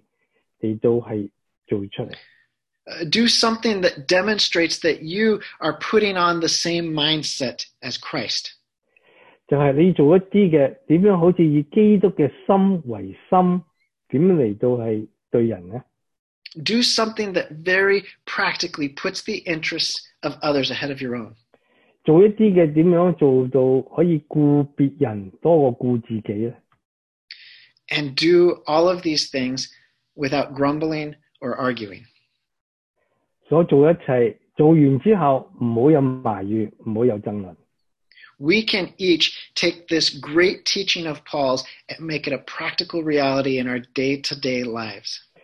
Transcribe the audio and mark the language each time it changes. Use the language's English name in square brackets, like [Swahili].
[Chinese] 我希望你能够做一些事,就是将你自己在腓立比书所学到的真理,你都是做出来。 [English] Do something that demonstrates that you are putting on the same mindset as Christ. [Chinese] 就是你做一些的,怎样好像以基督的心为心, 怎么来对人呢? [English] Do something that very practically puts the interests of others ahead of your own. [Chinese] 做一些的怎么样做到可以顾别人多过顾自己呢? [English] And do all of these things without grumbling or arguing. [Chinese] 所做一切,做完之后,不要有埋怨,不要有争论。 [English] We can each take this great teaching of Paul's and make it a practical reality in our day-to-day lives.